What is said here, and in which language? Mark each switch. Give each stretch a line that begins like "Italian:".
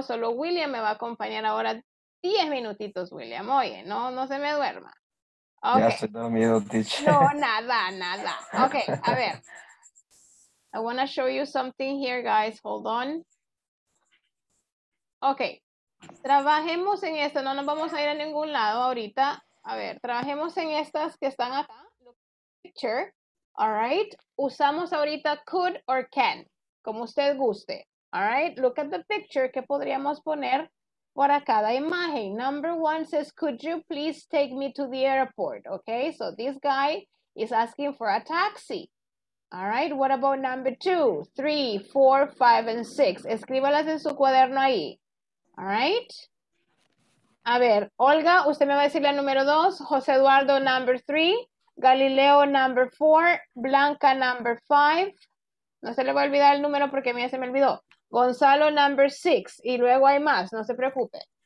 Spanish: Solo William me va a acompañar ahora. 10 minutitos, William. Oye, no se me duerma. Okay. Ya estoy dormido, teacher. No, nada. Okay, a ver.
English: I want to show you something here, guys. Hold on. Okay.
Spanish: Trabajemos en esto. No nos vamos a ir a ningún lado ahorita. A ver, trabajemos en estas que están acá. Picture. All right. Usamos ahorita could or can. Como usted guste. All right. Look at the picture. ¿Qué podríamos poner? Para cada imagen,
English: number one says, could you please take me to the airport? Okay, so this guy is asking for a taxi. All right, what about number two, three, four, five, and six?
Spanish: Escríbalas en su cuaderno ahí. All right. A ver, Olga, usted me va a decir la número dos. José Eduardo, number three.
English: Galileo, number four. Blanca, number five.
Spanish: No se le va a olvidar el número porque a mí se me olvidó. Gonzalo, number six, y luego hay más, no se preocupe.